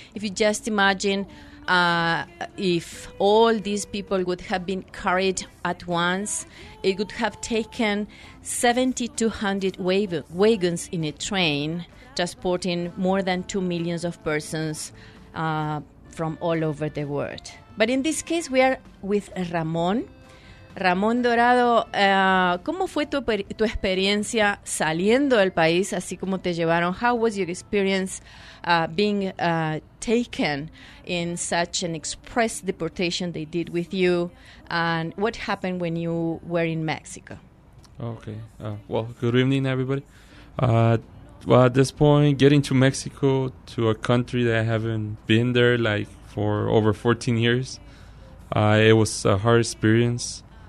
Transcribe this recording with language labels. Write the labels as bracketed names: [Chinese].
[English] If you just imagine if all these people would have been carried at once, it would have taken 7,200 wagons in a train transporting more than 2 million of persons from all over the world. But in this case, we are with Ramón. [Spanish] Ramón Dorado, ¿cómo fue tu experiencia saliendo del país, así como te llevaron? [English] How was your experience being taken in such an express deportation they did with you? And what happened when you were in Mexico? Okay. Well, good evening, everybody. Well, at this point, getting to Mexico, to a country that I haven't been there like for over 14 years, it was a hard experience.